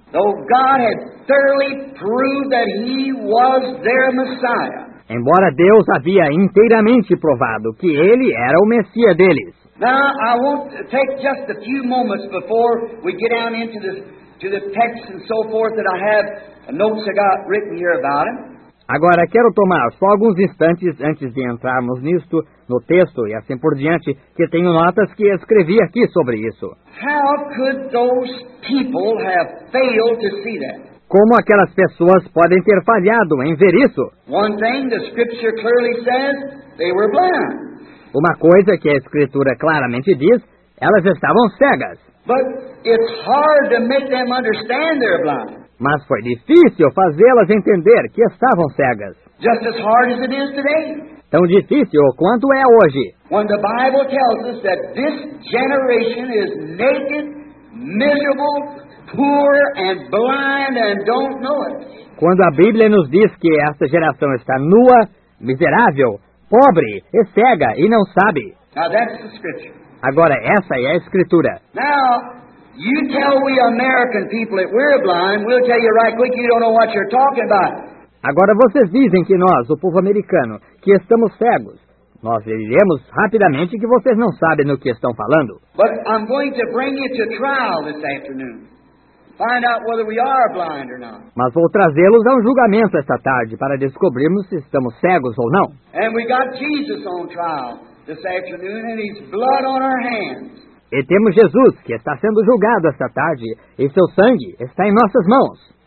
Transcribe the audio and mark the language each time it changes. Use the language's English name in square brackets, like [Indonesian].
[English] Though God had thoroughly proved that he was their Messiah. [Portuguese] Embora Deus havia inteiramente provado que ele era o Messias deles. [English] Now I want to take just a few moments before we get down into this. To the text and so forth that I have notes I got written here about him. [Portuguese] Agora quero tomar só alguns instantes antes de entrarmos nisto, no texto e assim por diante, que tenho notas que escrevi aqui sobre isso. [English] How could those people have failed to see that? [Portuguese] Como aquelas pessoas podem ter falhado em ver isso? [English] One thing the scripture clearly says, they were blind. [Portuguese] Uma coisa que a escritura claramente diz, elas estavam cegas. [English] But it's hard to make them understand they're blind. [Portuguese] Mas foi difícil fazê-las entender que estavam cegas. [English] Just as hard as it is today. [Portuguese] Tão difícil quanto é hoje. [English] When the Bible tells us that this generation is naked, miserable, poor and blind and don't know it. [Portuguese] Quando a Bíblia nos diz que esta geração está nua, miserável, pobre e cega e não sabe. [English] Now that's the scripture. [Portuguese] Agora, essa é a Escritura. [English] Now, You tell we American people that we're blind, we'll tell you right quick you don't know what you're talking about. [Portuguese] Agora vocês dizem que nós, o povo americano, que estamos cegos. Nós diremos rapidamente que vocês não sabem no que estão falando. [English] But I'm going to bring you to trial this afternoon. Find out whether we are blind or not. [Portuguese] Mas vou trazê-los a um julgamento esta tarde para descobrirmos se estamos cegos ou não. [English] And we got Jesus on trial this afternoon and his blood on our hands. [Portuguese] E temos Jesus, que está sendo julgado esta tarde, e seu sangue está em nossas mãos.